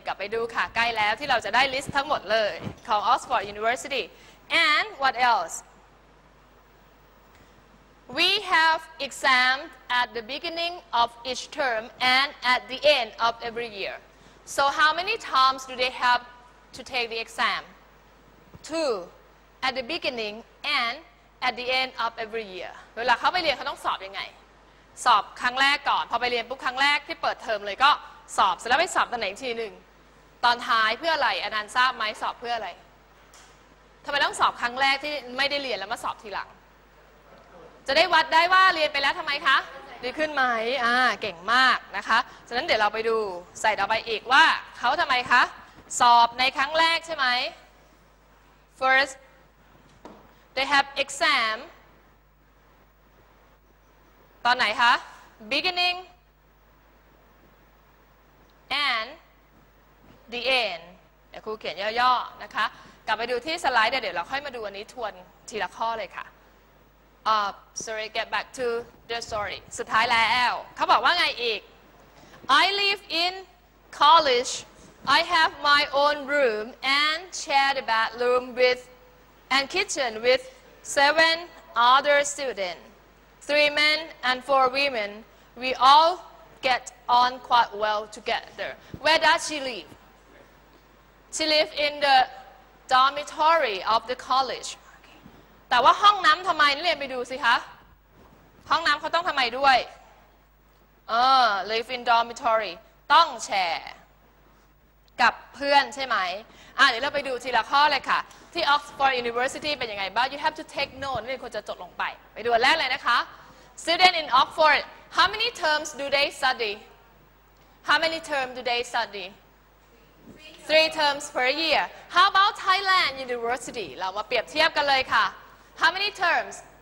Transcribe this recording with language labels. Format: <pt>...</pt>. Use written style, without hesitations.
<th>กลับไปดูค่ะใกล้แล้วที่เราจะได้ลิสต์ทั้งหมดเลยของ Oxford University.</th> <en>And what else? We have exams at the beginning of each term and at the end of every year. So how many times do they have to take the exam? Two, at the beginning and at the end of every year.</en> <th>เวลาเขาไปเรียนเขาต้องสอบยังไงสอบครั้งแรกก่อนพอไปเรียนปุ๊บครั้งแรกที่เปิดเทอมเลยก็สอบเสร็จแล้วไปสอบตอนไหนทีนึงตอนท้ายเพื่ออะไรอนันต์ทราบไหมสอบเพื่ออะไรทำไมต้องสอบครั้งแรกที่ไม่ได้เรียนแล้วมาสอบทีหลัง จะได้วัดได้ว่าเรียนไปแล้วทำไมคะดีขึ้นไหมเก่งมากนะคะฉะนั้นเดี๋ยวเราไปดูใส่ต่อไปอีกว่าเขาทำไมคะสอบในครั้งแรกใช่ไหม</th> <en>first they have exam</en> <th>ตอนไหนคะ beginning</th> <en>and the end</en> <th>เดี๋ยวครูเขียนย่อๆนะคะกลับไปดูที่สไลด์เดี๋ยวเราค่อยมาดูอันนี้ทวนทีละข้อเลยค่ะ</th> <en>Sorry, get back to the story.</en> <th>สุดท้ายแล้วเขาบอกว่าไงอีก</th> <en>I live in college. I have my own room and share the bathroom with and kitchen with 7 other students. 3 men and 4 women. We all get on quite well together. Where does she live? She lives in the dormitory of the college.</en> <th>แต่ว่าห้องน้ำทำไมเรียนไปดูสิคะห้องน้ำเขาต้องทำไมด้วย</th> <en>live in dormitory</en> <th>ต้องแชร์กับเพื่อนใช่ไหมเดี๋ยวเราไปดูทีละข้อเลยค่ะที่</th> <en>Oxford University</en> <th>เป็นยังไงบ้าง</th> <en>you have to take note</en> <th>นี่คนจะจดลงไปไปดูแรกเลยนะคะ</th> <en>student in Oxford how many terms do they study how many terms do they studythree terms per year how about Thailand University</en> <th>เรามาเปรียบเทียบกันเลยค่ะ</th> <en>how many terms</en>